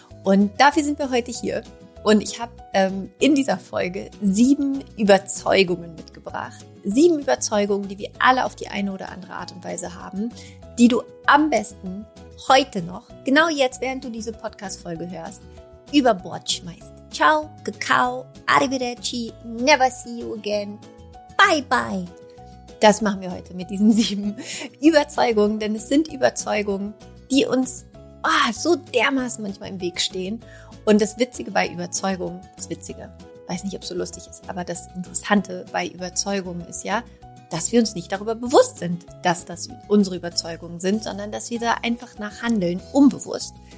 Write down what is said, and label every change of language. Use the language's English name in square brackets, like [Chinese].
[German] Und dafür sind wir heute hier und ich habe in dieser Folge 7 Überzeugungen mitgebracht. 7 Überzeugungen, die wir alle auf die eine oder andere Art und Weise haben, die du am besten heute noch, genau jetzt, während du diese Podcast-Folge hörst, über Bord schmeißt. [English] Ciao, Kakao, Arrivederci, never see you again, bye bye. [German] Das machen wir heute mit diesen 7 Überzeugungen, denn es sind Überzeugungen, die uns so dermaßen manchmal im Weg stehen. Und das Witzige bei Überzeugungen, weiß nicht, ob es so lustig ist, aber das Interessante bei Überzeugungen ist ja, dass wir uns nicht darüber bewusst sind, dass das unsere Überzeugungen sind, sondern dass wir da einfach nachhandeln, unbewusst.